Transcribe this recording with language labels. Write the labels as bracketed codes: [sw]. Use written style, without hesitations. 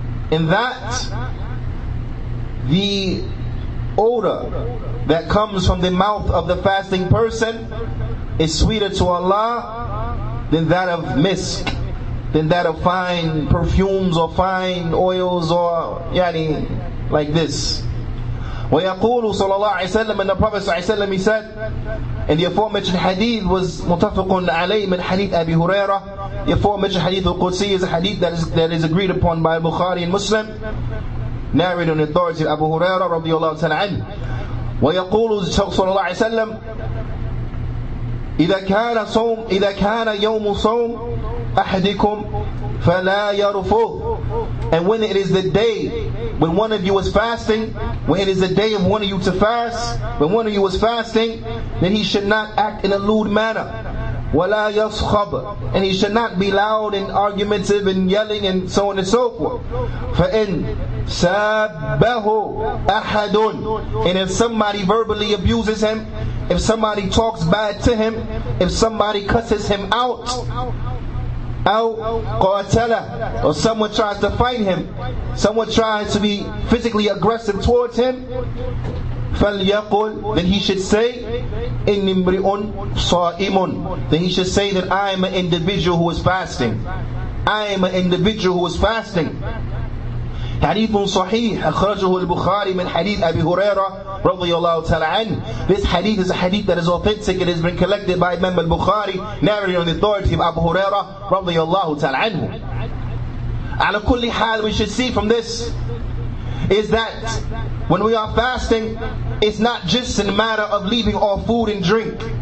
[en] In that, the odor that comes from the mouth of the fasting person is sweeter to Allah than that of misk, than that of fine perfumes or fine oils or yani like this. [ar] ويقول صلى الله عليه وسلم, [en] and the Prophet [ar] صلى الله عليه وسلم, [en] he said, and the aforementioned hadith was [ar] متفق عليه من حديث أبي هريرة. [en] The aforementioned hadith of Qudsi is a hadith that is agreed upon by Bukhari and Muslim, narrated on the authority of Abu Hurairah رضي الله تعالى عنه. [ar] ويقول صلى الله عليه وسلم, إذا كان يوم صوم أحدكم فلا يرفض. [en] And when it is the day when one of you is fasting, when it is the day of one of you to fast, when one of you is fasting, then he should not act in a lewd manner. [ar] وَلَا يَصْخَبَ, [en] and he should not be loud and argumentative and yelling and so on and so forth. [ar] فَإِن سَبَّهُ أَحَدٌ, [en] and if somebody verbally abuses him, if somebody talks bad to him, if somebody cusses him out, [ar] أو قاتله, [en] or someone tries to fight him, someone tries to be physically aggressive towards him, [ar] فَلْيَقُلْ, [en] then he should say, [ar] إِنِّي امْرِئٌ صَائِمٌ, [en] then he should say that I am an individual who is fasting. I am an individual who is fasting. [ar] حديث صحيح أخرجه البخاري من حديث أبي هريرة رضي الله تعالى عنه. [en] This hadith is a hadith that is authentic. It has been collected by Imam al-Bukhari, narrated on the authority of Abu Huraira رضي الله تعالى عنه. [ar] على كل حال, [en] we should see from this is that when we are fasting, it's not just a matter of leaving off food and drink.